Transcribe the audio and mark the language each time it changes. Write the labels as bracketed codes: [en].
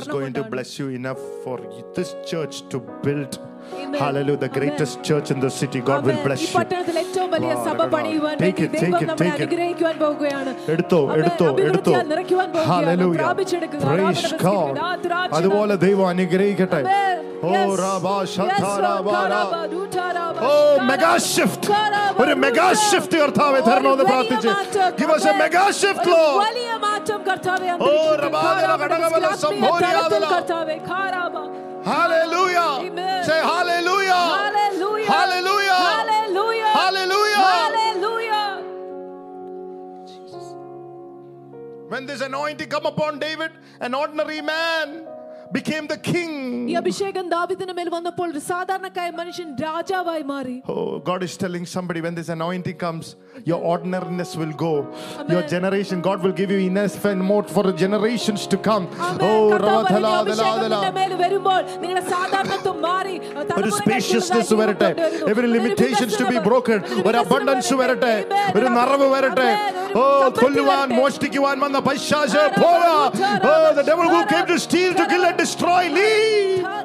[en] God is going to bless you enough for this church to build. Hallelujah, the greatest Amen. Church in the city. God Amen. Will bless you. [ml] പട്ടണത്തിലെ ഏറ്റവും വലിയ സഭ പണിയുവാൻ ദൈവം നമ്മെ അനുഗ്രഹിക്കാൻ പോവുകയാണ്. എടുത്തോ എടുത്തോ എടുത്തോ. ഹല്ലേലൂയ. Praise God. അതുപോലെ ദൈവം അനുഗ്രഹിക്കട്ടെ. ഓ റബാ ശതാരബാ ഓ മെഗാ ഷിഫ്റ്റ്. ഒരു മെഗാ ഷിഫ്റ്റ് കർത്താവേ തരണമെന്ന് പ്രാർത്ഥിച്ച്. [en] Give us a mega shift Lord. [ml] വലിയ മാറ്റം കർത്താവേ. ഓ റബാ ഘടകവല സംഭോരിയാദല കർത്താവേ ഖാരബാ. [en] Hallelujah. Amen. Say hallelujah. Hallelujah. Hallelujah. Hallelujah. Hallelujah. Hallelujah. Jesus. When this anointing come upon David, an ordinary man became the king. [ml] ഈ അഭിഷേകം ദാവീദിനെ മേൽ വന്നപ്പോൾ ഒരു സാധാരണക്കായ മനുഷ്യൻ രാജാവായി മാറി. [en] Oh, God is telling somebody, when this anointing comes, your ordinariness will go. Amen. Your generation, God will give you enough and more for generations to come. Amen. Oh, rathala dala dala. [ml] നിങ്ങളുടെ സാധാരണത്വം മാറി. ഒരു സ്പേഷ്യസ്നെസ് വരട്ടെ. [en] Every limitations to be broken. [ml] ഒരു abundance വരട്ടെ. ഒരു നിറവ് വരട്ടെ. ഓ കൊല്ലുവാൻ മോഷ്ടിക്കുവാൻ വന്ന പൈശാചെ പോകാ. [en] Oh, the devil who came to steal, to kill and destroy, leave.